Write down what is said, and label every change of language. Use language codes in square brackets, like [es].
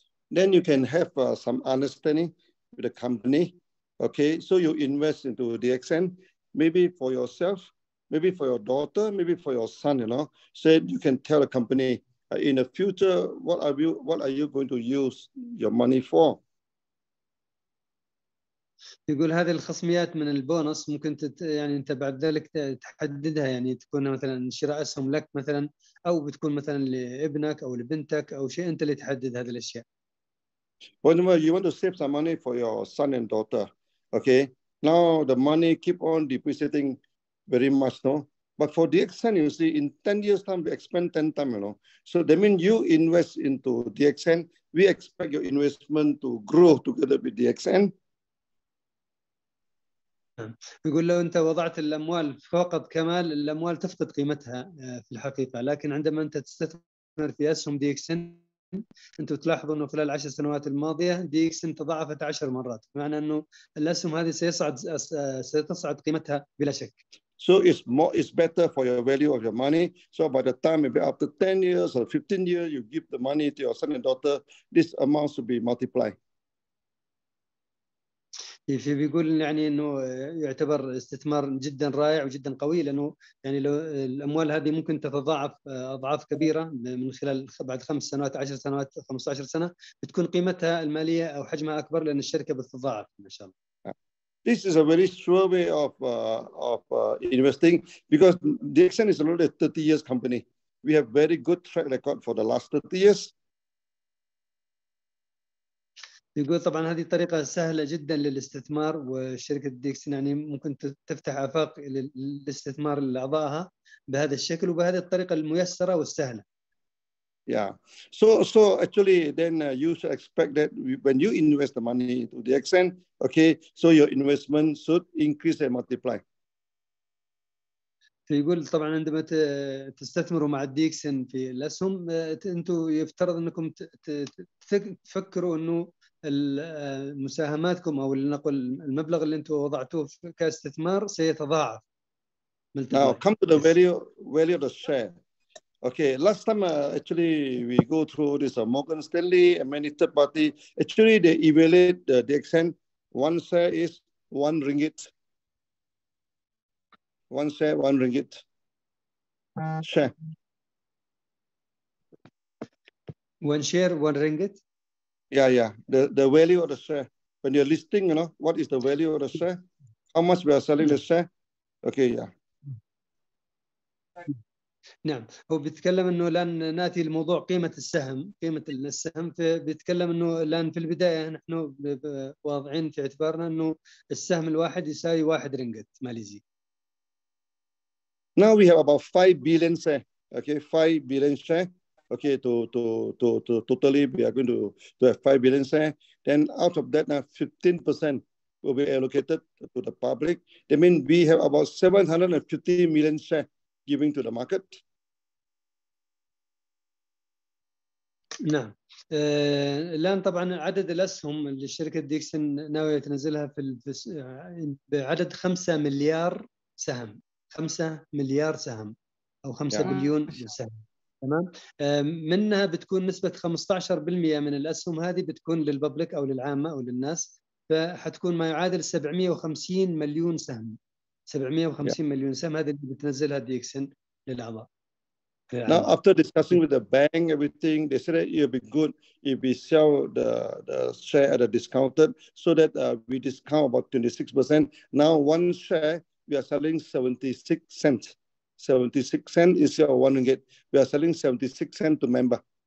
[en] Then you can have some understanding with the company, okay? So you invest into DXN, maybe for yourself. Maybe for your daughter, maybe for your son, you know. Said you can tell a company in the future what are you going to use your money for? [ar] يقول هذه الخصميات من البونص ممكن يعني انت بعد ذلك تحددها، يعني تكون مثلا شراء اسهم لك مثلا، او بتكون مثلا لابنك او لبنتك او شيء، انت اللي تحدد هذه الاشياء. [en] Whenever you want to save some money for your son and daughter, okay, now the money keep on depreciating very much, no? But for DXN, you see, in 10 years time, we expand 10 times, you know? So that means you invest into DXN, we expect your investment to grow together with DXN. [ar] يقول لو أنت وضعت الأموال فقط كمال، الأموال تفقد قيمتها في الحقيقة، لكن عندما أنت تستثمر في أسهم DXN، أنت تلاحظ أنه خلال 10 سنوات الماضية DXN تضاعفت 10 مرات، معنى أنه الأسهم هذه ستصعد قيمتها بلا شك. [en] So it's better for your value of your money. So by the time maybe after 10 years or 15 years, you give the money to your son and daughter, this amount should be multiplied. [ar] في بيقول يعني انه يعتبر استثمار جدا رائع وجدا قوي، لانه يعني لو الاموال هذه ممكن تتضاعف اضعاف كبيره من خلال بعد 5 سنوات 10 سنوات 15 سنه، بتكون قيمتها الماليه او حجمها اكبر لان الشركه بتتضاعف ما شاء الله. [en] This is a very sure way of investing, because DXN is already a 30 years company. We have very good track record for the last 30 years. [ar] يقول طبعا هذه طريقة سهلة جدا للاستثمار، وشركة DXN يعني ممكن تفتح آفاق للاستثمار لأعضائها بهذا الشكل وبهذه الطريقة الميسرة والسهلة. [en] Yeah. So actually then you should expect that when you invest the money into DXN, okay, so your investment should increase and multiply. [ar] فيقول طبعا عندما تستثمروا مع DXN في الأسهم، انتوا يفترض انكم تفكروا انه المساهماتكم او لنقل المبلغ اللي انتم وضعتوه كاستثمار سيتضاعف. [en] Now come to the value of the share. Okay, last time actually we go through this Morgan Stanley and many third party. Actually they evaluate the DXN. One share is ₱1. One share, ₱1. Share. One share, ₱1. Yeah. The value of the share. When you're listing, you know, what is the value of the share? How much we are selling the share? Okay, yeah. [ar] نعم، هو بيتكلم انه الان ناتي لموضوع قيمه السهم، فبيتكلم انه الان في البدايه نحن واضعين في اعتبارنا انه السهم الواحد يساوي 1 رينجت ماليزي. [en] Now we have about 5 billion share. Okay, 5 billion share. Okay, to totally we are going to have 5 billion share. Then out of that, 15% will be allocated to the public. That means we have about 750 million share giving to the market. [ar] نعم، الآن طبعاً عدد الأسهم اللي شركة DXN ناوية تنزلها في بعدد 5 مليار سهم، 5 مليار سهم أو 5 بليون سهم، تمام؟ منها بتكون نسبة 15% من الأسهم هذه بتكون للببليك أو للعامة أو للناس، فحتكون ما يعادل 750 مليون سهم، 750 مليون سهم هذه اللي بتنزلها DXN للأعضاء. [en] Now, after discussing with the bank, everything, they said it would be good if we sell the share at a discounted, so that we discount about 26%. Now, one share, we are selling 76 cents. 76 cents instead of 1 ringgit. We are selling 76 cents to member.